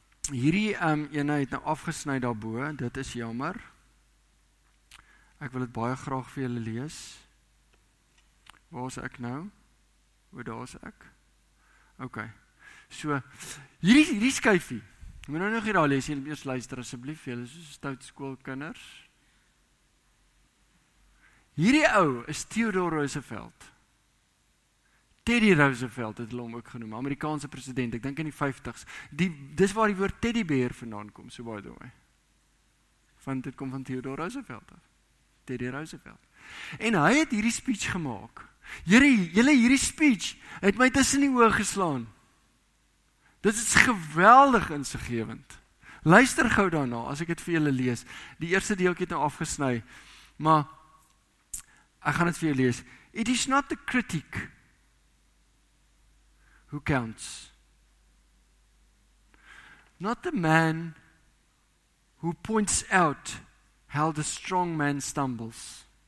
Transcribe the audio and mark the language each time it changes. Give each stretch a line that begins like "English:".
Afrikaans: Hierdie ene het nou afgesny daarbo, dit is jammer. Ek wil het baie graag vir julle lees. Waar is ek nou? Hoe daar is ek? Ok, so, hierdie skyfie, moet nou nog hier al lees, julle eers luister, asseblief, julle is stout skoolkinders. Hierdie ou is Theodore Roosevelt. Teddy Roosevelt het hulle hom ook genoem, Amerikaanse president, ek dink in die 50s. Dis waar die woord teddy bear vandaan kom,
English: so by the way.
Afrikaans: Want dit kom van Theodore Roosevelt af. Teddy Roosevelt. En hy het hierdie speech gemaak. Hierdie speech het my tussen die oë geslaan. Dit is geweldig insiggewend. Luister gou daarna, as ek het vir julle lees. Die eerste deelkie het nou afgesny, maar ek gaan het vir jou lees.
English: It is not the critic who counts. Not the man who points out how the strong man stumbles.